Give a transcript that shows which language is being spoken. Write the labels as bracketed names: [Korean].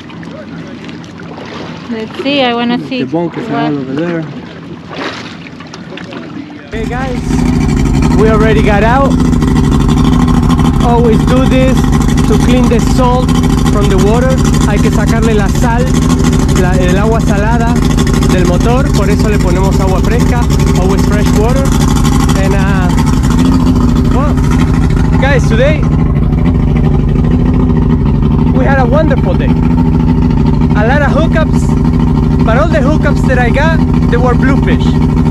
[English] Let's see, I wanna see. The bonkers are all over there. Hey guys, we already got out. Always do this to clean the salt from the water. [Spanish] Hay que sacarle la sal, el agua salada del motor. Por eso le ponemos agua fresca. [English] Always fresh water. And well, guys, today we had a wonderful day. A lot of hookups, but all the hookups that I got, they were bluefish.